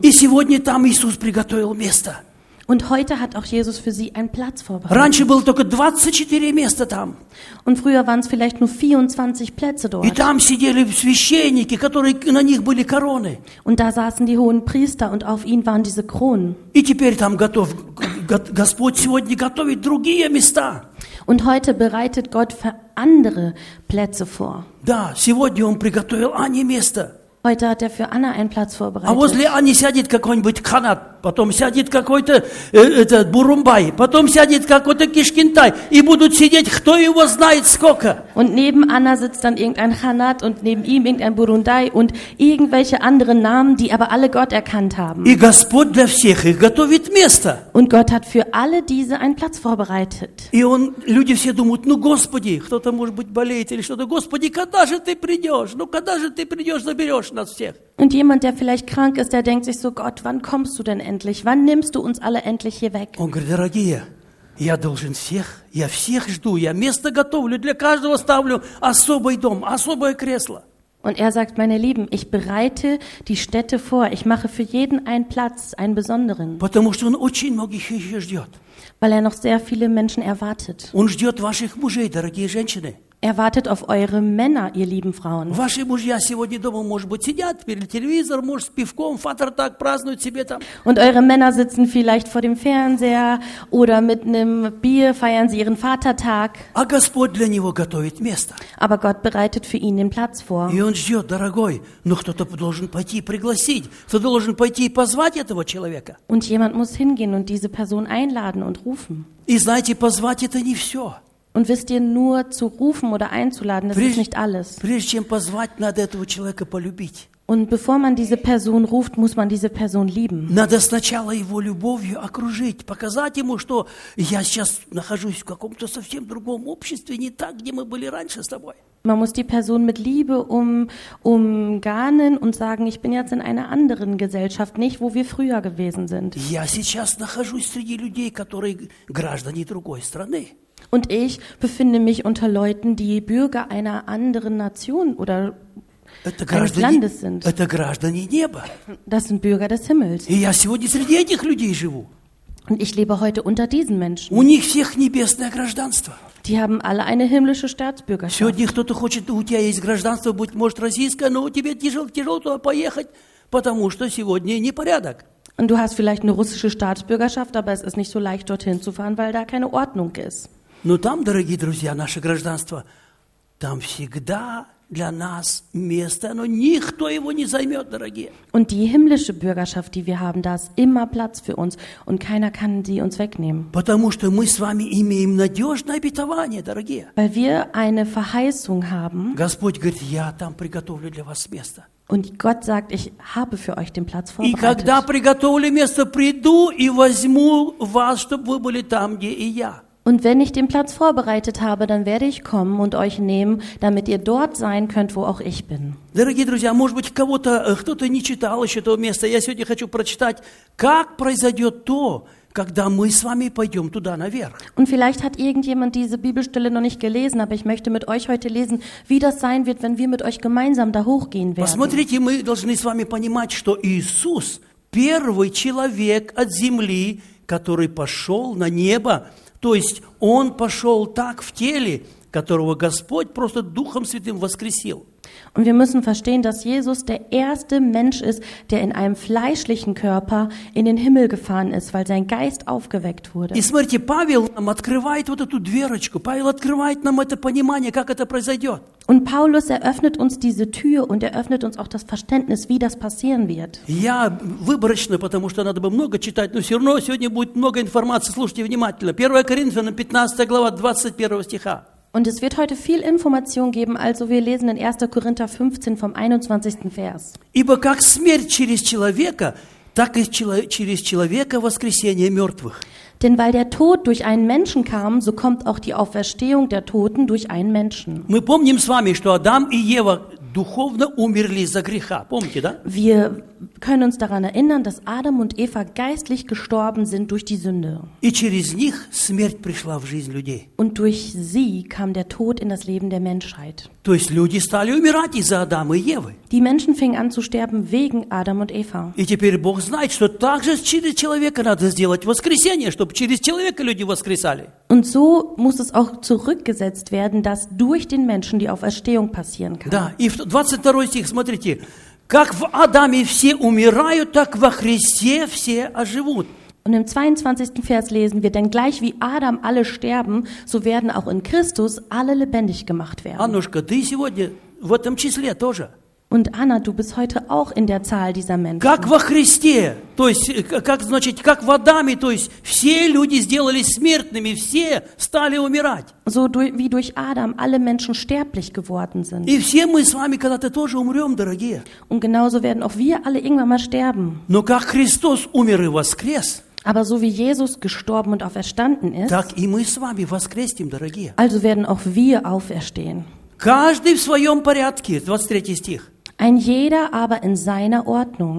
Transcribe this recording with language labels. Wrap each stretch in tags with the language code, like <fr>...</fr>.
<ru>И сегодня там Иисус приготовил место.</ru> <de>Und heute hat auch Jesus für sie einen Platz vorbereitet.</de> <ru>Раньше было только 24 места там.</ru> <de>Und früher waren es vielleicht nur 24 Plätze dort.</de> <ru>И там сидели священники, которые на них были короны.</ru> <de>Und da saßen die hohen Priester und auf ihnen waren diese Kronen.</de> <ru>И теперь там готов Господь сегодня готовит другие места.</ru> <de>Und heute bereitet Gott für andere Plätze vor.</de> <ru>Да, сегодня он приготовил Ане место.</ru> <de>Heute hat er für Anna einen Platz vorbereitet.</de> <ru>А возле Ани сядет какой-нибудь канат, потом сядет какой-то этот бурумбай, потом сядет какой-то кишкинтай, и будут сидеть, кто его знает сколько.</ru> <de>Und neben Anna sitzt dann irgendein Khanat und neben ihm irgendein Burundai und irgendwelche anderen Namen, die aber alle Gott erkannt haben.</de> <ru>И Господь для всех их готовит место.</ru> <de>Und Gott hat für alle diese einen Platz vorbereitet.</de> <ru>И он, люди все думают, ну Господи, кто-то может быть болеет или что-то, Господи, когда же ты придешь? Ну когда же ты придешь, заберешь?</ru> <de>Und jemand, der vielleicht krank ist, der denkt sich so, Gott, wann kommst du denn endlich? Wann nimmst du uns alle endlich hier weg?</de> <ru>Он говорит, дорогие, я должен всех, я всех жду, я место готовлю, для каждого ставлю особый дом, особое кресло.</ru> <de>Und er sagt, meine Lieben, ich bereite die Städte vor, ich mache für jeden einen Platz, einen besonderen.</de> <ru>Потому что он очень многих еще ждет.</ru> <de>Weil er noch sehr viele Menschen erwartet.</de> <ru>Он ждет ваших мужей, дорогие женщины.</ru> <de>Er wartet auf eure Männer, ihr lieben Frauen.</de> <ru>Ваши мужья сегодня дома, может быть, сидят перед телевизором, может, с пивком, фатер так празднуют себе там.</ru> <de>Und eure Männer sitzen vielleicht vor dem Fernseher oder mit einem Bier feiern sie ihren Vatertag.</de> <ru>А Господь для него готовит место.</ru> <de>Aber Gott bereitet für ihn den Platz vor.</de> <ru>И он ждет, дорогой, но кто-то должен пойти пригласить, кто-то должен пойти и позвать этого человека.</ru> <de>Und jemand muss hingehen und diese Person einladen und rufen.</de> <ru>И знаете, позвать это не все.</ru> <de>Und wisst ihr, nur zu rufen oder einzuladen, das ist nicht alles.</de> <ru>Прежде чем позвать, надо этого человека полюбить.</ru> <de>Und bevor man diese Person ruft, muss man diese Person lieben.</de> <ru>Надо сначала его любовью окружить, показать ему, что я сейчас нахожусь в каком-то совсем другом обществе, не так, где мы были раньше с тобой.</ru> <de>Man muss die Person mit Liebe umgarnen und sagen, ich bin jetzt in einer anderen Gesellschaft, nicht wo wir früher gewesen sind.</de> <ru>Я сейчас нахожусь среди людей, которые граждане другой страны.</ru> <de>Und ich befinde mich unter Leuten, die Bürger einer anderen Nation oder eines Landes sind.</de> <ru>Это граждане неба.</ru> <de>Das sind Bürger des Himmels.</de> <ru>И я сегодня среди этих людей живу.</ru> <de>Und ich lebe heute unter diesen Menschen.</de> <ru>У них всех небесное гражданство.</ru> <de>Die haben alle eine himmlische Staatsbürgerschaft.</de> <ru>Сегодня кто-то хочет, у тебя есть гражданство, быть может российское, но тебе тяжело туда поехать, потому что сегодня непорядок.</ru> <de>Und du hast vielleicht eine russische Staatsbürgerschaft, aber es ist nicht so leicht dorthin zu fahren, weil da keine Ordnung ist.</de> <ru>Но там, дорогие друзья, наше гражданство, там всегда для нас место, но никто его не займет, дорогие.</ru> <de>Und die himmlische Bürgerschaft, die wir haben, da ist immer Platz für uns und keiner kann sie uns wegnehmen.</de> <ru>Потому что мы с вами имеем надежное обетование, дорогие.</ru> <de>Weil wir eine Verheißung haben.</de> <ru>Господь говорит, я там приготовлю для вас место.</ru> <de>Und Gott sagt, ich habe für euch den Platz vorbereitet.</de> <ru>И когда приготовлю место, приду и возьму вас, чтобы вы были там, где и я.</ru> <de>Und wenn ich den Platz vorbereitet habe, dann werde ich kommen und euch nehmen, damit ihr dort sein könnt, wo auch ich bin.</de> <ru>Дорогие друзья, может быть, кого-то, кто-то не читал еще этого места, я сегодня хочу прочитать, как произойдет то, когда мы с вами пойдем туда наверх.</ru> <de>Und vielleicht hat irgendjemand diese Bibelstelle noch nicht gelesen, aber ich möchte mit euch heute lesen, wie das sein wird, wenn wir mit euch gemeinsam da hochgehen werden.</de> <ru>Посмотрите, мы должны с вами понимать, что Иисус первый человек от земли, который пошел на небо, то есть он пошел так в теле, которого Господь просто Духом Святым воскресил.</ru> <de>Und wir müssen verstehen, dass Jesus der erste Mensch ist, der in einem fleischlichen Körper in den Himmel gefahren ist, weil sein Geist aufgeweckt wurde.</de> <ru>И смотрите, Павел нам открывает вот эту дверочку. Павел открывает нам это понимание, как это произойдет.</ru> <de>Und Paulus eröffnet uns diese Tür und eröffnet uns auch das Verständnis, wie das passieren wird.</de> <ru>Я выборочно, потому что надо бы много читать, но все равно сегодня будет много информации. Слушайте внимательно. 1 Коринфянам 15 глава 21 стиха.</ru> <de>Und es wird heute viel Information geben, also wir lesen in 1. Korinther 15 vom 21. Vers.</de> <ru>Ибо как смерть через человека, так и через человека воскресение мертвых.</ru> <de>Denn weil der Tod durch einen Menschen kam, so kommt auch die Auferstehung der Toten durch einen Menschen.</de> <ru>Мы помним с вами, что Адам и Ева духовно умерли из-за греха. Помните, да?</ru> <de>Wir können uns daran erinnern, dass Adam und Eva geistlich gestorben sind durch die Sünde. Und durch sie kam der Tod in das Leben der Menschheit.</de> <ru>То есть люди стали умирать из-за Адама и Евы.</ru> <de>Die Menschen fingen an zu sterben wegen Adam und Eva.</de> <ru>И теперь Бог знает, что также через человека надо сделать воскресение, чтобы через человека люди воскресали.</ru> <de>Und so muss es auch zurückgesetzt werden, dass durch den Menschen die Auferstehung passieren kann.</de> <ru>Да, и 22 стих, смотрите. Как в Адаме все умирают, так во Христе все оживут.</ru> <de>Und im 22. Vers lesen wir, denn gleich wie Adam alle sterben, so werden auch in Christus alle lebendig gemacht werden.</de> <ru>Аннушка, ты сегодня в этом числе тоже.</ru> <de>Und Anna, du bist heute auch in der Zahl dieser Menschen.</de> <ru>Как во Христе, то есть, как, значит, как в Адаме, то есть, все люди сделались смертными, все стали умирать.</ru> <de>So wie durch Adam alle Menschen sterblich geworden sind.</de> <ru>И все мы с вами когда-то тоже умрем, дорогие.</ru> <de>Und genauso werden auch wir alle irgendwann mal sterben.</de> <ru>Но как Христос умер и воскрес.</ru> <de>Aber so wie Jesus gestorben und auferstanden ist,</de> <ru>так и мы с вами воскреснем, дорогие.</ru> <de>Also werden auch wir auferstehen.</de> <ru>Каждый в своем порядке. 23 стих.</ru> <de>Ein jeder aber in seiner Ordnung.</de>